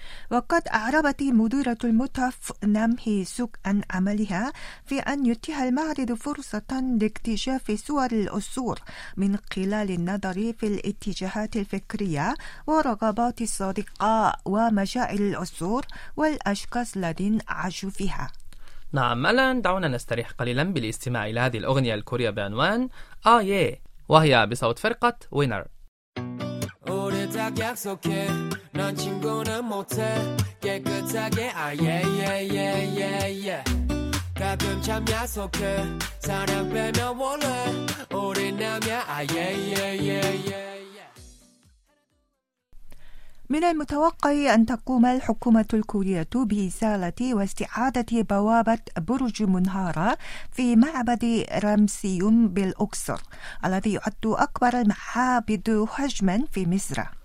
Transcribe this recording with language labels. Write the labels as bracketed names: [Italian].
[Arabic] وقد أعربت مديرة المتحف نام هي سوك عن عملها في أن يتيح المعرض فرصة لاكتشاف صور العصور من خلال النظر في الاتجاهات الفكرية ورغبات الصادقة ومشاعر العصور والأشخاص الذين عاشوا فيها. نعم، الآن دعونا نستريح قليلا بالاستماع إلى هذه الأغنية الكورية بعنوان آيه، وهي بصوت فرقة وينر. [Korean] 약속해 난 친구는 못해 깨끗하게 아예 예예 예예 가끔 참 약속해 사랑 빼면 원래 우리 남야 아예 예예 예. [Arabic] من المتوقع أن تقوم الحكومة الكورية بإزالة واستعادة بوابة برج منهارة في معبد رامسيوم بالأقصر الذي يعد أكبر المعابد حجما في مصر.